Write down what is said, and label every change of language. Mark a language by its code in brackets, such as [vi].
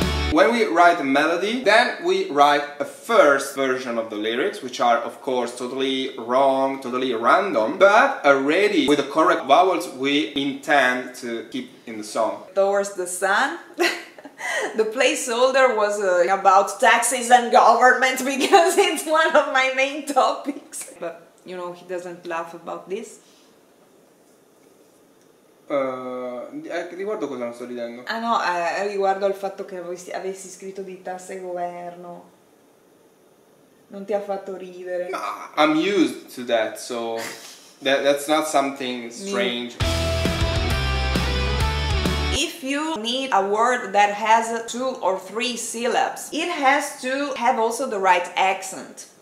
[en] When we write a melody, then we write a first version of the lyrics, which are of course totally wrong, totally random, but already with the correct vowels we intend to keep in the song. Towards the sun? The placeholder was about taxes and government, because it's one of my main topics. But, you know, he doesn't laugh about this. [it] Riguardo cosa non sto ridendo? Ah no, riguardo al fatto che avessi scritto di tasse governo. Non ti ha fatto ridere? [en] No, I'm used to that, so that's not something strange. If you need a word that has two or three syllables, it has to have also the right accent.